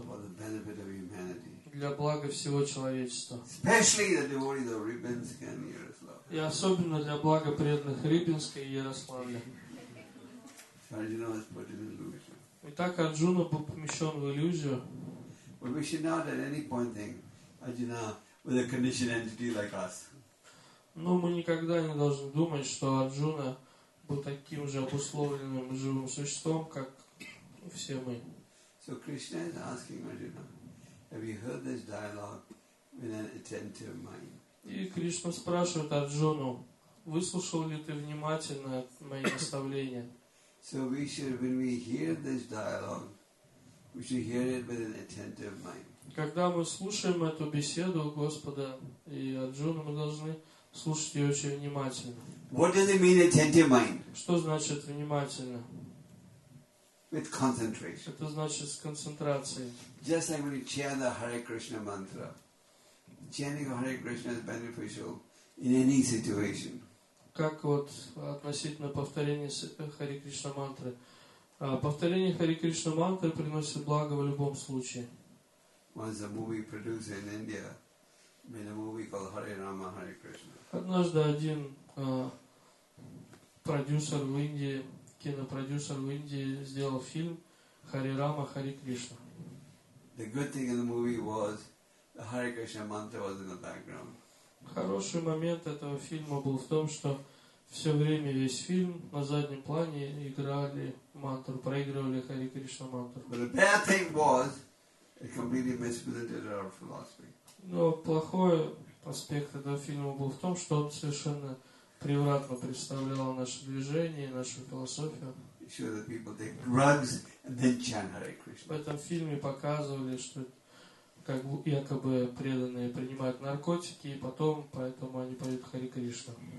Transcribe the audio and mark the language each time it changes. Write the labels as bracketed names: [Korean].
[English] For the benefit of humanity. [Russian] Для блага всего человечества. [English] Especially the devotees of Rybinsk and Yaroslavl. [Russian] И особенно для блага преданных Рыбинска и Ярославля. [English] Arjuna was put in illusion. [Russian] Итак, Арджуна был помещен в иллюзию. [English] But we should not at any point think Arjuna was a conditioned entity like us. [Russian] Но мы никогда не должны думать, что Арджуна был таким же обусловленным живым существом, как все мы. [English] So Krishna is asking Arjuna, have you heard this dialogue with an attentive mind? [Russian] И Кришна спрашивает Арджуну, выслушал ли ты внимательно мои наставления? [English] So we should, when we hear this dialogue, we should hear it with an attentive mind. [Russian] Когда мы слушаем эту беседу Господа и Арджуны, мы должны слушать ее очень внимательно. [English] What does it mean, attentive mind? [Russian] Что значит внимательно? [English] With concentration. [Russian] Это значит с концентрацией. [English] Just like when you chant the Hare Krishna mantra, chanting of Hare Krishna is beneficial in any situation. [Russian] Как вот относительно повторения Hare Krishna мантры. Повторение Hare Krishna мантры приносит благо в любом случае. [English] Once a movie producer in India made a movie called Hare Rama Hare Krishna. [Russian] Однажды один продюсер в Индии, кинопродюсер в Индии сделал фильм Hare Rama Hare Krishna. [English] The good thing in the movie was the Hare Krishna mantra was in the background. [Russian] Хороший момент этого фильма был в том, что все время весь фильм на заднем плане играли мантру, проигрывали Hare Krishna мантру. [English] But the bad thing was it completely misrepresented our philosophy. [Russian] Но плохой аспект этого фильма был в том, что он совершенно превратно представлял наше движение, нашу философию. [English] Sure that people take drugs and then chant Hare Krishna. [Russian] В этом фильме показывали, что как якобы преданные принимают наркотики и потом поэтому они поют Hare Krishna.